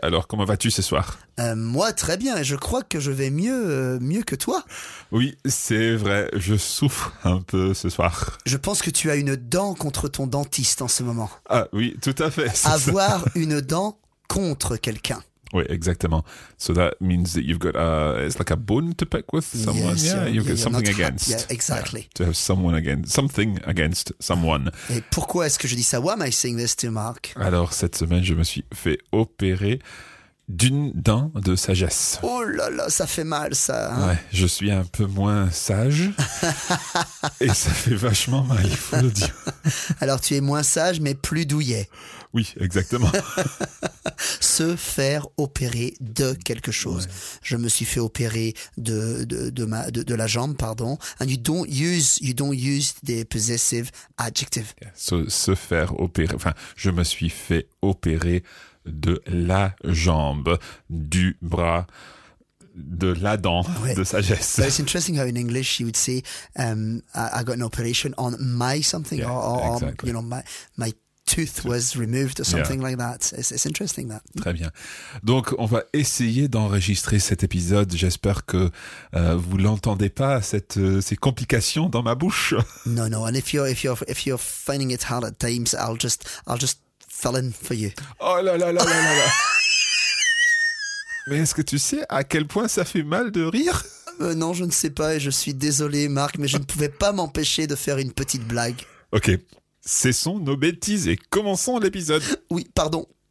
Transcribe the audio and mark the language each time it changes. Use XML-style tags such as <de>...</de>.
<fr>Alors, comment vas-tu ce soir ? Moi, très bien. Je crois que je vais mieux que toi. Oui, c'est vrai. Je souffre un peu ce soir. Je pense que tu as une dent contre ton dentiste en ce moment. Ah oui, tout à fait. Avoir une dent contre quelqu'un. Oui, exactement.</fr> <en>So that means that you've got a, it's like a bone to pick with someone. Yes, yeah. You've got something against. Yeah, exactly. Yeah, to have someone against, something against someone.</en> <fr>Et pourquoi est-ce que je dis ça?</fr> <en>Why am I saying this to Mark?</en> <fr>Alors, cette semaine, je me suis fait opérer d'une dent de sagesse. Oh là là, ça fait mal ça. Ouais, je suis un peu moins sage et ça fait vachement mal, il faut le dire. Alors tu es moins sage mais plus douillet. Oui, exactement. Se faire opérer de quelque chose. Ouais. Je me suis fait opérer de la jambe, pardon.</fr> <en>And you don't use the possessive adjective. Yeah.</en> <fr>Se faire opérer, enfin, je me suis fait opérer de la jambe, du bras, de la dent, ouais. De sagesse.</fr> <en>But it's interesting how in English you would say I got an operation on my something, yeah, or exactly. You know, my tooth was removed or something, yeah. Like that. It's interesting that.</en> <fr>Très bien. Donc on va essayer d'enregistrer cet épisode. J'espère que vous l'entendez pas ces complications dans ma bouche.</fr> <en>No. And if you're finding it hard at times, I'll just fell in for you.</en> <fr>Oh là là là là là là. Mais est-ce que tu sais à quel point ça fait mal de rire? Non, je ne sais pas et je suis désolé, Marc, mais je ne pouvais pas m'empêcher de faire une petite blague. Ok, cessons nos bêtises et commençons l'épisode. Oui, pardon.</fr>